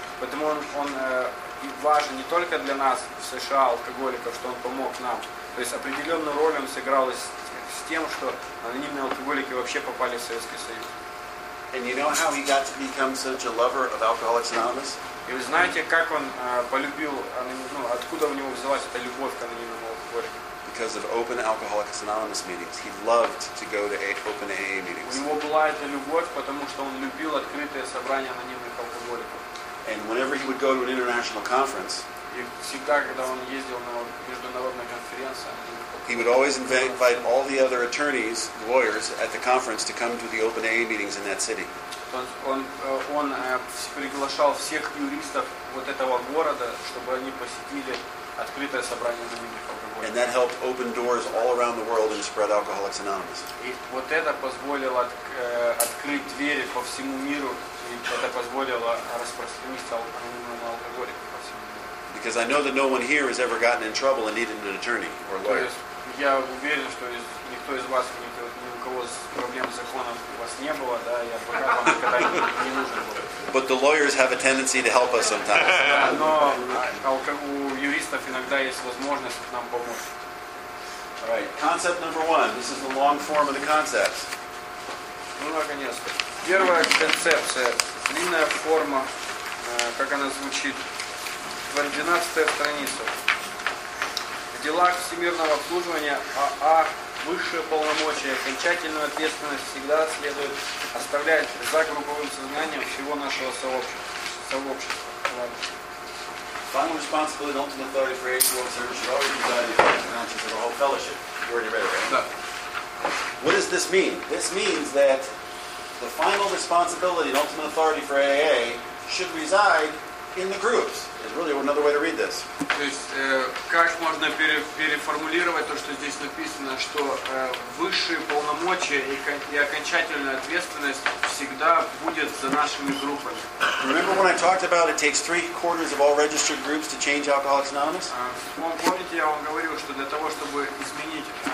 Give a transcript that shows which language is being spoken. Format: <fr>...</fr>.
<ru>Поэтому он важен не только для нас в США, алкоголиков, что он помог нам. То есть определенную роль он сыграл с тем, что анонимные алкоголики вообще попали в Советский Союз.</ru> <en>And you know how he got to become such a lover of Alcoholics Anonymous?</en> <ru>И вы знаете, как он полюбил анонимные, откуда у него взялась эта любовь к анонимным алкоголикам?</ru> <en>Because of open Alcoholics Anonymous meetings. He loved to go to open AA meetings.</en> <ru>У него была эта любовь, потому что он любил открытые собрания анонимных алкоголиков.</ru> <en>And whenever he would go to an international conference,</en> <ru>и всегда, когда он ездил на международную конференцию,</ru> <en>he would always invite all the other attorneys, lawyers, at the conference to come to the open AA meetings in that city.</en> <ru>Он приглашал всех юристов вот этого города, чтобы они посетили открытое собрание анонимных алкоголиков.</ru> <en>And that helped open doors all around the world and spread Alcoholics Anonymous.</en> <ru>И вот это позволило открыть двери по всему миру, и это позволило распространиться анонимным алкоголикам по всему миру.</ru> <en>Because I know that no one here has ever gotten in trouble and needed an attorney or lawyer.</en> <ru>То есть я уверен, что никто из вас ни у кого проблем с законом у вас не было, да, я пока вам никогда не нужен был.</ru> <en>But the lawyers have a tendency to help us sometimes.</en> <ru>Но у юристов иногда есть возможность нам помочь.</ru> <en>All right, concept number one. This is the long form of the concepts.</en> <ru>Ну, наконец-то. Первая концепция, длинная форма, как она звучит, 12-я страница. В делах всемирного обслуживания АА высшее полномочие, окончательную ответственность всегда следует оставлять за групповым сознанием всего нашего сообщества.</ru> <en>Final responsibility and ultimate authority for AA officers should always reside in the finances of the whole fellowship. You already read it, right? No. What does this mean? This means that the final responsibility and ultimate authority for AA should reside in the groups. Is really another way to read this.</en> <ru>То есть, как можно переформулировать то, что здесь написано, что высшие полномочия и окончательная ответственность всегда будет за нашими группами.</ru> <en>Remember when I talked about it takes 3/4 of all registered groups to change Alcoholics Anonymous?</en> <ru>Помните, я вам говорил, что для того, чтобы изменить</ru>